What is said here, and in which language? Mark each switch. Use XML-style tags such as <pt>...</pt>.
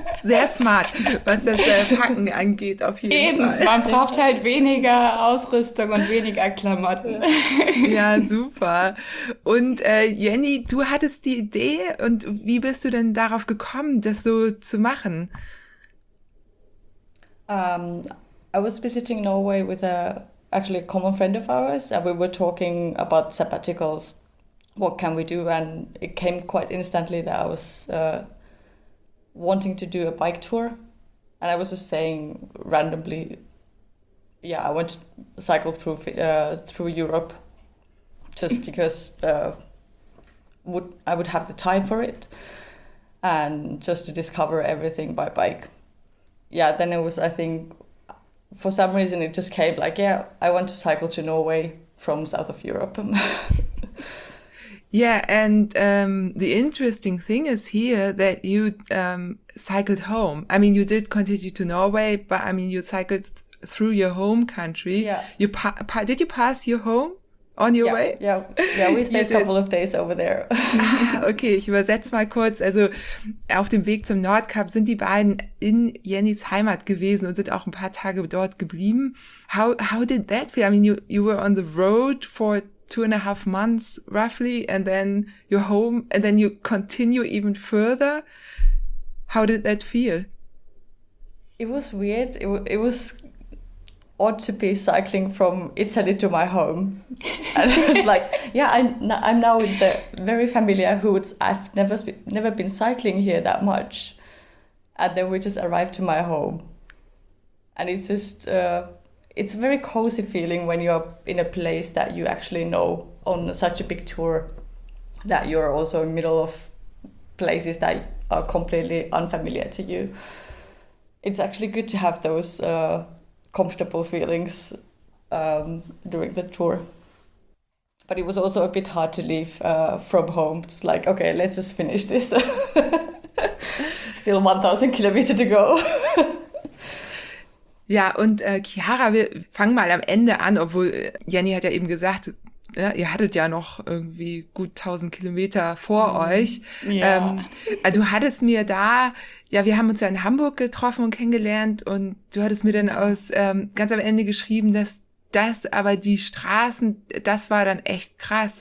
<de>Sehr smart, was das Packen angeht, auf jeden Eben, Fall. Eben, man braucht halt weniger Ausrüstung und weniger Klamotten. Ja, super. Und Jenny, du hattest die Idee und wie bist du denn darauf gekommen, das so zu machen?</de> <en>I was visiting Norway with actually a common friend of ours, and we were talking about sabbaticals, what can we do, and it came quite instantly that I was wanting to do a bike tour, and I was just saying randomly, yeah, I want to cycle through Europe, just because I would have the time for it, and just to discover everything by bike. Yeah, then it was, I think, for some reason, it just came like, yeah, I want to cycle to Norway from south of Europe. Yeah, and the interesting thing is here that you cycled home. I mean, you did continue to Norway, but I mean, you cycled through your home country. Yeah. You did you pass your home on your way? Yeah, we stayed a couple of days over there.</en> <de>Okay, ich übersetze mal kurz. Also auf dem Weg zum Nordkap sind die beiden in Jennys Heimat gewesen und sind auch ein paar Tage dort geblieben.</de> <en>How did that feel? I mean, you were on the road for 2.5 months roughly, and then you're home, and then you continue even further. How did that feel? It was weird. It was odd to be cycling from Italy to my home. And it was like, yeah, I'm now in the very familiar hoods. I've never been cycling here that much. And then we just arrived to my home. And it's just, it's a very cozy feeling when you're in a place that you actually know on such a big tour, that you're also in the middle of places that are completely unfamiliar to you. It's actually good to have those comfortable feelings during the tour. But it was also a bit hard to leave from home. It's like, okay, let's just finish this. Still 1,000 kilometers to go.</en> <de>Ja, und Chiara, wir fangen mal am Ende an, obwohl Jenny hat ja eben gesagt, ja, ihr hattet ja noch irgendwie gut 1000 Kilometer vor euch. Ja. Du hattest mir da, ja, wir haben uns ja in Hamburg getroffen und kennengelernt und du hattest mir dann aus ganz am Ende geschrieben, dass das aber die Straßen, das war dann echt krass.</de>